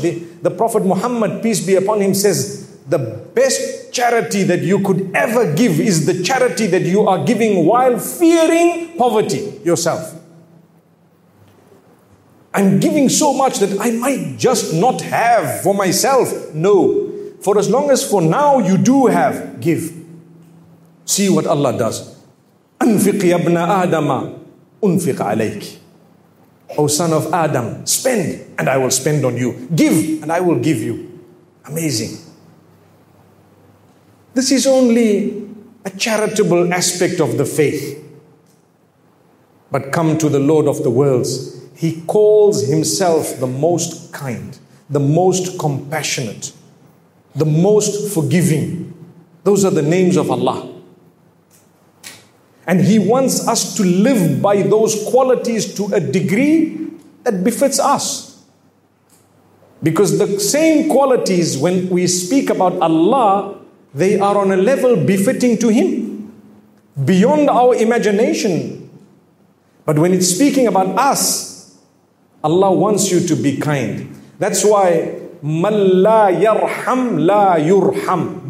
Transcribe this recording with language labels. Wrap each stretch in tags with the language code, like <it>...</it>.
<en>The Prophet Muhammad, peace be upon him, says, the best charity that you could ever give is the charity that you are giving while fearing poverty yourself. I'm giving so much that I might just not have for myself. No. For as long as for now you do have, give. See what Allah does.</en> <ar>أنفق يا ابن آدم أنفق عليك.</ar> <en>O son of Adam, spend and I will spend on you. Give and I will give you. Amazing. This is only a charitable aspect of the faith. But come to the Lord of the worlds. He calls himself the most kind, the most compassionate, the most forgiving. Those are the names of Allah. And he wants us to live by those qualities to a degree that befits us. Because the same qualities, when we speak about Allah, they are on a level befitting to him, beyond our imagination. But when it's speaking about us, Allah wants you to be kind. That's why,</en> <ar>مَنْ لَا يَرْحَمْ لَا يُرْحَمْ.</ar>